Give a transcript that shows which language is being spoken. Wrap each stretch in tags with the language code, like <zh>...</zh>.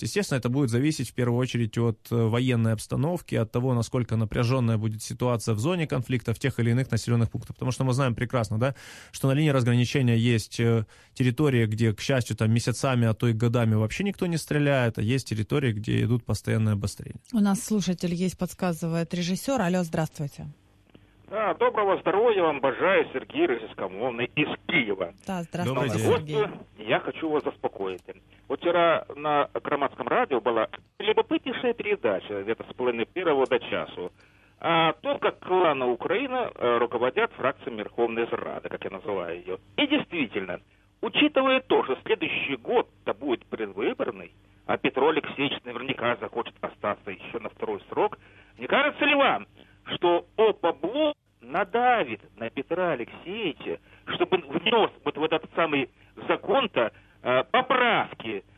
<ru>Естественно, это будет зависеть в первую очередь от военной обстановки, от того, насколько напряженная будет ситуация в зоне конфликта, в тех или иных населенных пунктах. Потому что мы знаем прекрасно, да, что на линии разграничения есть территории, где, к счастью, там месяцами, а то и годами вообще никто не стреляет, а есть территории, где идут постоянные обострения. У нас слушатель есть, подсказывает режиссер. Алло, здравствуйте.</ru> <uk>Да, доброго здоров'я вам бажаю, Сергій Російськомовний із Києва.</uk> <ru>Та, здравствуйте, Сергій.</ru> <uk>Я хочу вас заспокоїти. Вчора на громадському радіо була любопитніша передача,</uk> <ru>это с половины первого до часу. А то, как клана Украина руководят фракцией Верховной Рады, как я называю ее. И действительно, учитывая то, что следующий год-то будет предвыборный, а Петро Алексеевич наверняка захочет остаться еще на второй срок. Не кажется ли вам, что ОПА-блок надавит на Петра Алексеевича, чтобы он внес вот в этот самый закон-то поправки?</ru>